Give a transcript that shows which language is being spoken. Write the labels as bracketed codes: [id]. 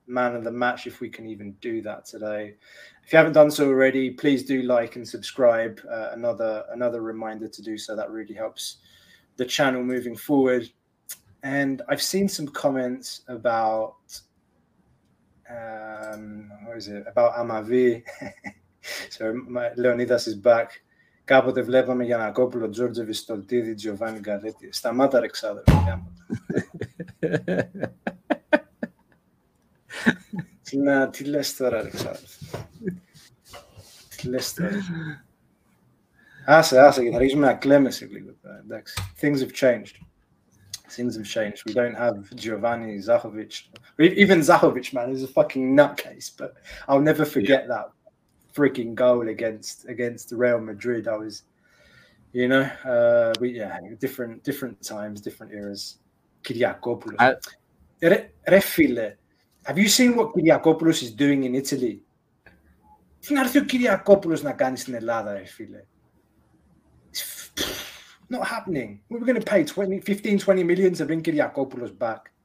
[en] Man of the match, if we can even do that today. If you haven't done so already, please do like and subscribe. Another reminder to do so. That really helps the channel moving forward. And I've seen some comments about about Amavi. So Leonidas is back. [el] Κάποτε βλέπαμε Γιανακόπουλο, Τζόρτζε Βιστολτίδη, Τζοβάνι Γκαρέτη. Σταμάτα, Αλεξάνδρε. Να, τι λες τώρα, Αλεξάνδρε. Τι λες τώρα. Άσε, και θα αρχίσουμε να κλαίμε σε λίγο. Εντάξει. [en] Things have changed. We don't have Giovanni Zahovic. Even Zahovic, man, is a fucking nutcase. But I'll never forget that freaking goal against Real Madrid. I was, you know, different times, different eras. Kyriakopoulos. [el] Ρε φίλε. [en] Have you seen what Kyriakopoulos is doing in Italy? [el] Τι να έρθει ο Κυριακόπουλος να κάνει στην Ελλάδα, ρε φίλε. [en] Not happening. We're going to pay 15-20 million to bring Kyriakopoulos back.